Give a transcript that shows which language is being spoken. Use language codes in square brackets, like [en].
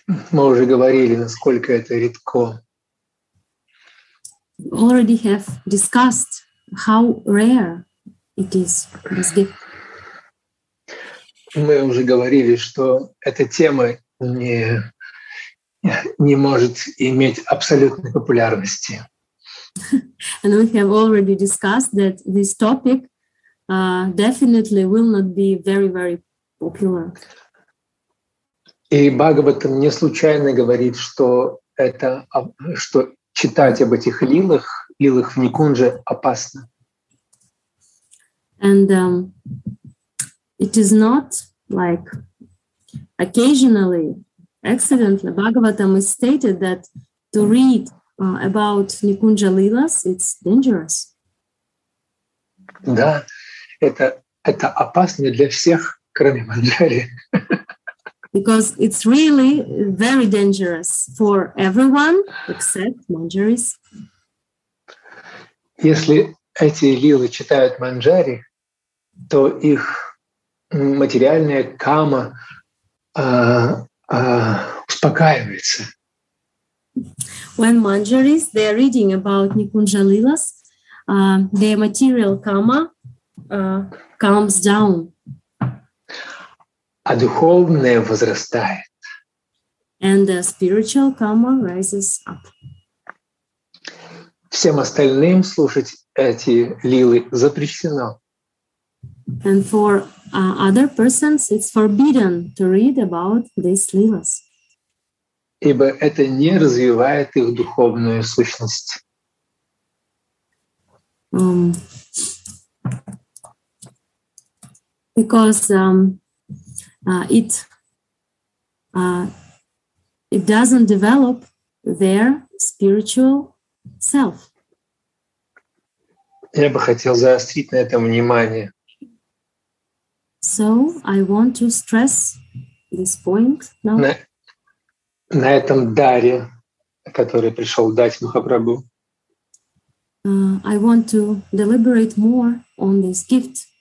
[ru] Мы уже говорили, насколько это редко. [en] We already have discussed how rare it is, this gift. [ru] Мы уже говорили, что эта тема не может иметь абсолютной популярности. [en] And we have already discussed that this topic definitely will not be very, very popular. [ru] И Бхагаватам не случайно говорит, что это, что читать об этих лилах в Никунже опасно. [en] And it is not like occasionally accidentally, Bhagavatam is stated that to read about Nikunja Lilas, it's dangerous. [ru] Да, это опасно для всех, кроме Манджари. [en] Because it's really very dangerous for everyone except Manjaris. [ru] Если эти лилы читают Манджари, то их материальная кама успокаивается. [en] When Manjaris, they are reading about Nikunja Lilas, their material karma calms down. [ru] А духовное возрастает. [en] And the spiritual karma rises up. [ru] Всем остальным слушать эти лилы запрещено. [en] And for other persons, it's forbidden to read about these lilas. [ru] Ибо это не развивает их духовную сущность. [en] Because it doesn't develop their spiritual self. [ru] Я бы хотел заострить на этом внимание. [en] So I want to stress this point now. [ru] На этом даре, который пришел дать Махапрабху. [en] I want to deliberate more on this gift,